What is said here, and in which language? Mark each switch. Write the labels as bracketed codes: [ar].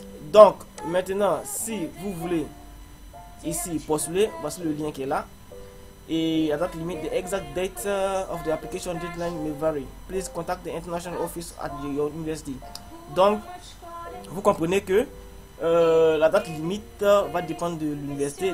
[fr] Donc, maintenant, si vous voulez ici postuler, voici le lien qui est là. Et à date limite, [en] the exact date of the application deadline may vary. Please contact the international office at your university. [fr] Donc, vous comprenez que la date limite va dépendre de l'université.